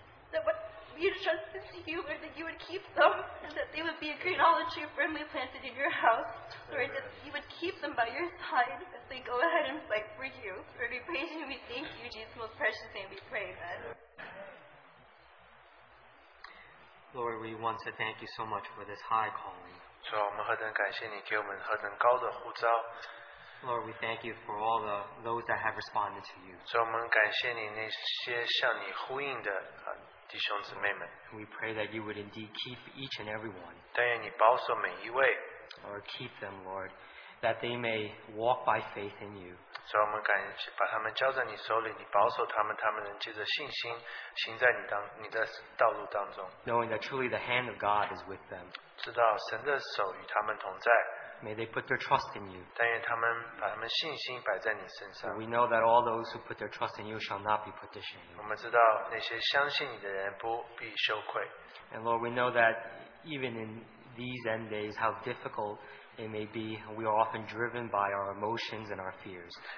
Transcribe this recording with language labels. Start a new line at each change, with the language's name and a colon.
English: That what you entrust into you, Lord, that you would keep them, and that they would be a great olive tree firmly planted in your house. Lord, that you would keep them by your side as they go ahead and fight for you. Lord, we praise you and we thank you, Jesus, most precious name we pray, amen. Lord, we want to thank you so much for this high calling.
Chinese: 主啊，我们何等感谢你给我们何等高的呼召。
English: Lord, we thank you for all the those that have responded to you.
Chinese: 主啊，我们感谢你那些向你呼应的弟兄姊妹们。
English: We pray that you would indeed keep each and every one.
Chinese: 但愿你保守每一位。
English: Lord, keep them, Lord, that they may walk by faith in you.
Chinese: 主啊，我们感谢把他们交在你手里，你保守他们，他们能借着信心行在你的道路当中。
English: Knowing that truly the hand of God is with them.
Chinese: 知道神的手与他们同在。
English: May they put their trust in you.
Chinese: 但愿他们把他们信心摆在你身上。
English: We know that all those who put their trust in you shall not be put to shame.
Chinese: 我们知道那些相信你的人不必羞愧。
English: And Lord, we know that even in these end days, how difficult it may be, we are often driven by our emotions and our fears.